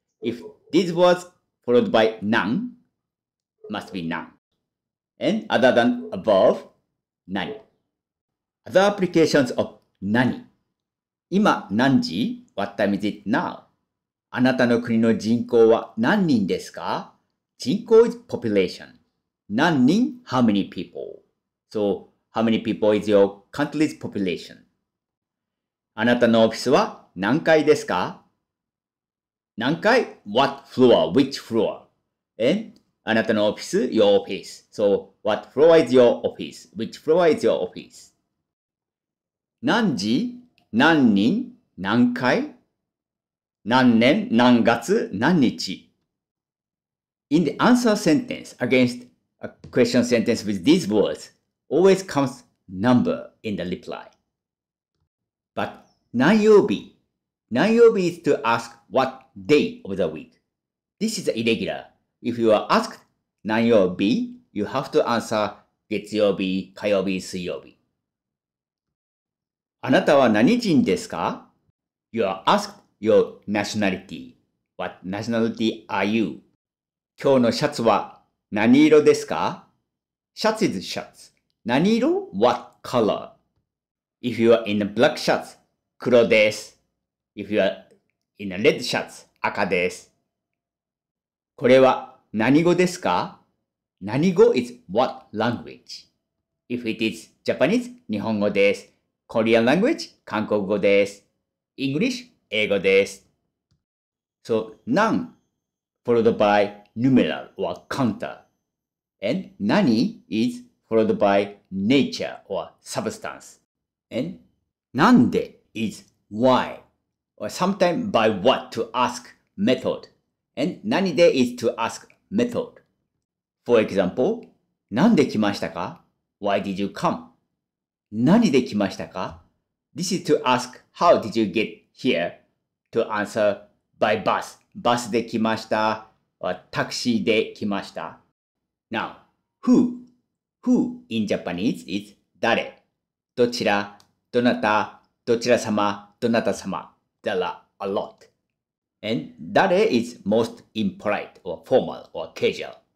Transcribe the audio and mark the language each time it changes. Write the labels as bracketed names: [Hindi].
[English] If these words followed by nan must be nan. And other than above, nani. Other applications of nani. [Japanese] 今何時? [English] What time is it now? [Japanese] あなたの国の人口は何人ですか? [English] 人口 is population. 何人?How many people? So, how many people is your country's population? [Japanese] あなたのオフィスは何階ですか? [English] 何階?What floor? Which floor? And, [Japanese] あなたのオフィス? [English] Your office. So, what floor is your office? Which floor is your office? [Japanese] 何時?何人?何階?何年?何月?何日? [English] In the answer sentence againstA question sentence with these words always comes number in the reply. But 何曜日?何曜日 is to ask what day of the week. This is irregular. If you are asked 何曜日, you have to answer 月曜日, 火曜日, 水曜日. [Japanese] あなたは何人ですか? [English] You are asked your nationality. What nationality are you? [Japanese] 今日のシャツは何色ですか? [English] Shirt is shirt. 何色? What color? If you are in a black shirt, [Japanese] 黒です。 [English] If you are in a red shirt, [Japanese] 赤です。これは何語ですか？ [English] 何語 is what language? If it is Japanese, [Japanese] 日本語です。 [English] Korean language, [Japanese] 韓国語です。 [English] English, [Japanese] 英語です。 [English] So, noun followed by numeral or counter. And nani is followed by nature or substance. And nande is why or sometimes by what to ask method. And nani de is to ask method. For example, [Japanese] なんで来ましたか? [English] Why did you come? [Japanese] 何で来ましたか? [English] This is to ask how did you get here? To answer by bus. [Japanese] バスで来ました or タクシーで来ました。 [English] Now, who? Who in Japanese is 誰? [Japanese] どちら、どなた、どちら様、どなた様。 [English] There are a lot. And 誰 is most impolite or formal or casual.